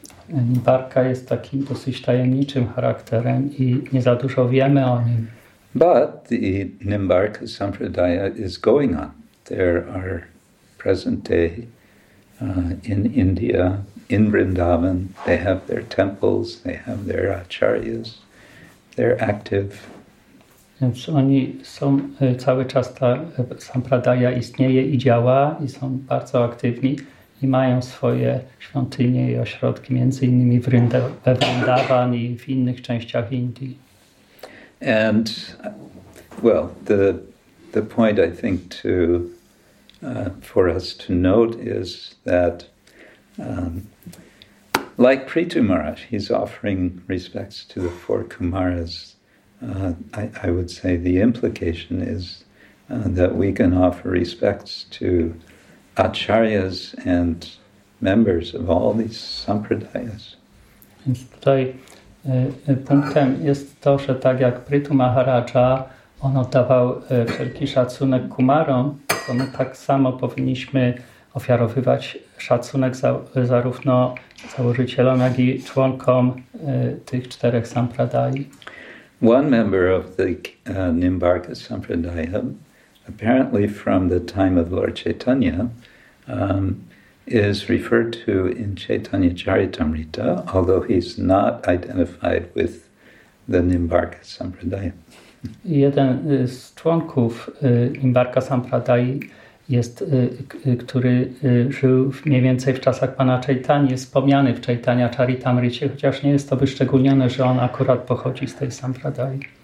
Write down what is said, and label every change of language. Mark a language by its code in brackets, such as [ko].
[pl] Nimbarka jest takim dosyć tajemniczym charakterem i nie za dużo wiemy o nim. [en] But the Nimbarka Sampradaya is going on. There are present day in India, in Vrindavan, they have their temples, they have their acharyas, they're active. [pl] Więc oni są cały czas, ta Sampradaya istnieje i działa i są bardzo aktywni i mają swoje świątynie i ośrodki, między innymi we Vrindavan i w innych częściach Indii. [en] And, well, the point I think to for us to note is that like Prithu Maharaj, he's offering respects to the four Kumaras. I would say the implication is that we can offer respects to acharyas and members of all these sampradayas. [pl] Więc tutaj punktem jest to, że tak jak Prithu Maharaja, on oddawał wszelki szacunek Kumarom, to my tak samo powinniśmy ofiarowywać szacunek zarówno założycielom, jak i członkom tych czterech sampradayi. [en] One member of the Nimbarka Sampradaya, apparently from the time of Lord Chaitanya, is referred to in Chaitanya Charitamrita, although he's not identified with the Nimbarka Sampradaya. [pl] Jeden z członków Nimbarka Sampradayi jest, który żył mniej więcej w czasach pana Chaitany, jest wspomniany w Chaitanya Charitamrycie, chociaż nie jest to wyszczególnione, że on akurat pochodzi z tej Sampradayi.